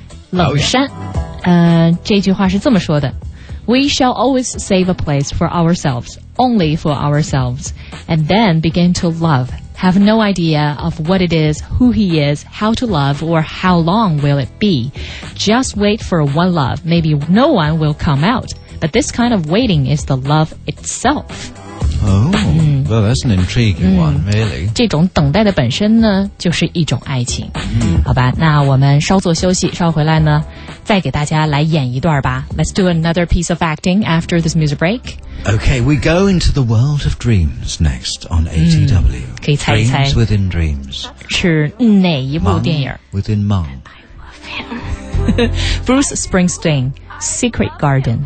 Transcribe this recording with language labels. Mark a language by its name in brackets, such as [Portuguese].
[Chinese] 冷山，这句话是这么说的 [English] ：We shall always save a place for ourselves, only for ourselves, and then begin to love. Have no idea of what it is, who he is, how to love, or how long will it be. Just wait for one love. Maybe no one will come out. But this kind of waiting is the love itself. Oh,、well, that's an intriguing、one, really. [Chinese] 这种等待的本身呢，就是一种爱情。 Mm. 好吧，那我们稍作休息，稍回来呢，再给大家来演一段吧。 [English] Let's do another piece of acting after this music break. Okay, we go into the world of dreams next on ATW.、 [Chinese] 可以猜一猜。 [English] Dreams within dreams. [Chinese] 是哪一部电影 [English] Mung within Mung. Bruce Springsteen. Secret Garden.